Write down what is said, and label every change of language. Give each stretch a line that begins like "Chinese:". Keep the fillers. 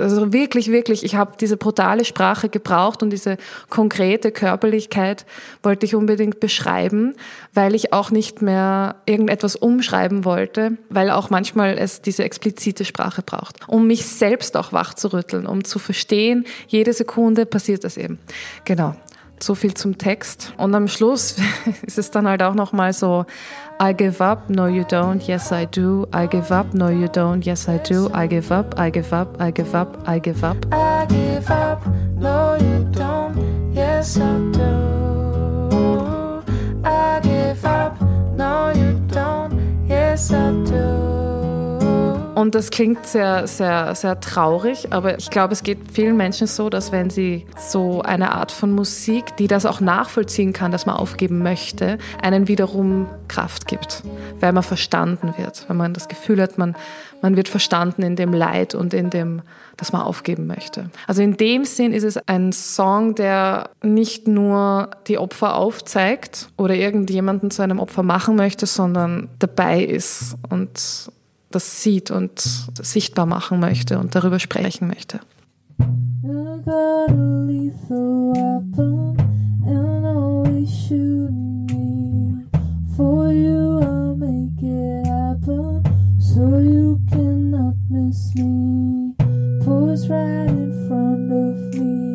German: Also wirklich, wirklich, ich habe diese brutale Sprache gebraucht und diese konkrete Körperlichkeit wollte ich unbedingt beschreiben, weil ich auch nicht mehr irgendetwas umschreiben wollte, weil auch manchmal es diese explizite Sprache braucht, um mich selbst auch wachzurütteln, um zu verstehen, jede Sekunde passiert das eben. Genau. So viel zum Text. Und am Schluss ist es dann halt auch nochmal so,
English: I give up, no you don't, yes I do. I give up, no you don't, yes I do. I give up, I give up, I give up, I give up. I give up. No, you don't. Yes, yes I do. I give up. No, you don't. Yes I do.
German: Und das klingt sehr, sehr, sehr traurig, aber ich glaube, es geht vielen Menschen so, dass wenn sie so eine Art von Musik, die das auch nachvollziehen kann, dass man aufgeben möchte, einen wiederum Kraft gibt, weil man verstanden wird, weil man das Gefühl hat, man, man wird verstanden in dem Leid und in dem, dass man aufgeben möchte. Also in dem Sinn ist es ein Song, der nicht nur die Opfer aufzeigt oder irgendjemanden zu einem Opfer machen möchte, sondern dabei ist und das sieht und sichtbar machen möchte und darüber sprechen möchte.
English: You got a lethal weapon, and always shoot me. For you, I'll make it happen, so you cannot miss me. Pose right in front of me.